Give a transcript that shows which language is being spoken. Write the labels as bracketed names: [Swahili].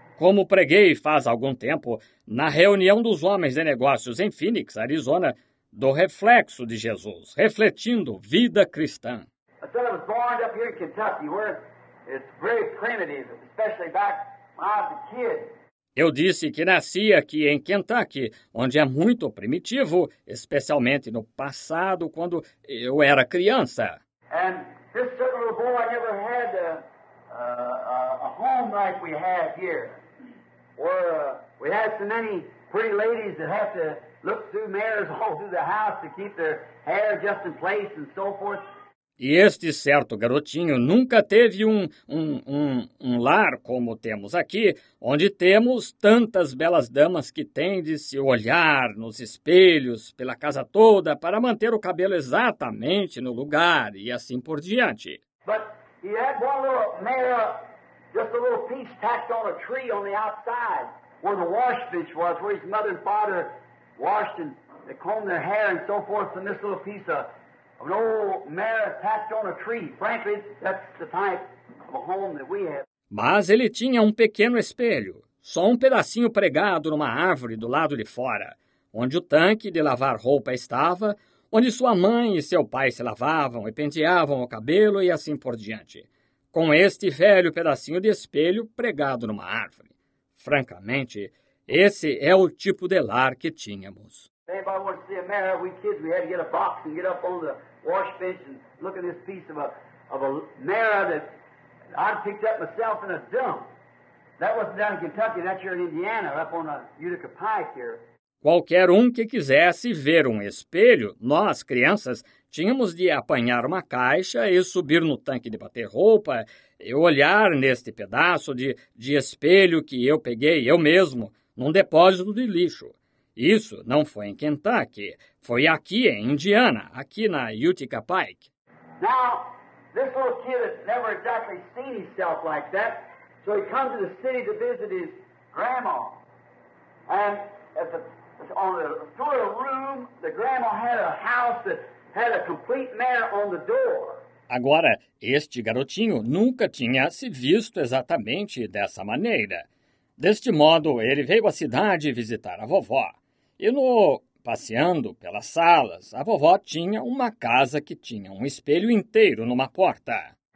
[Portuguese] Como preguei faz algum tempo, na reunião dos homens de negócios em Phoenix, Arizona, do reflexo de Jesus, refletindo vida cristã. [English] I said I was born up here in Kentucky, where it's very primitive, especially back when I was a kid. [Portuguese] Eu disse que nasci aqui em Kentucky, onde é muito primitivo, especialmente no passado, quando eu era criança. [English] And this little boy never had a home like we have here, where we had so many pretty ladies that have to look through mirrors all through the house to keep their hair just in place and so forth. [Portuguese] E este certo garotinho nunca teve um lar como temos aqui, onde temos tantas belas damas que têm de se olhar nos espelhos pela casa toda para manter o cabelo exatamente no lugar e assim por diante. [English] But he had one little mare, just a little piece tacked on a tree on the outside where the wash bench was, where his mother and father washed and they combed their hair and so forth, and this little piece of an old mare tacked on a tree. Frankly, that's the type of a home that we have. [Portuguese] Mas ele tinha um pequeno espelho, só um pedacinho pregado numa árvore do lado de fora, onde o tanque de lavar roupa estava, onde sua mãe e seu pai se lavavam e penteavam o cabelo e assim por diante. Com este velho pedacinho de espelho pregado numa árvore. Francamente, esse é o tipo de lar que tínhamos. [English] Anybody want to see a mare? We kids, we had to get a box and get up on the wash bench and look at this piece of a mare that I'd picked up myself in a dump. That wasn't down in Kentucky, that's here in Indiana, up on a Utica Pike here. [Portuguese] Qualquer um que quisesse ver um espelho, nós, crianças, tínhamos de apanhar uma caixa e subir no tanque de bater roupa e olhar neste pedaço de espelho que eu peguei eu mesmo num depósito de lixo. Isso não foi em Kentucky, foi aqui em Indiana, aqui na Utica Pike. [English] Now, this little kid has never exactly seen himself like that, so he comes to the city to visit his grandma. And on the tour of the room, the grandma had a house that had a complete mirror on the door. [Portuguese] Agora, este garotinho nunca tinha se visto exatamente dessa maneira. Deste modo, ele veio à cidade visitar a vovó. E no Passeando pelas salas, a vovó tinha uma casa que tinha um espelho inteiro numa porta.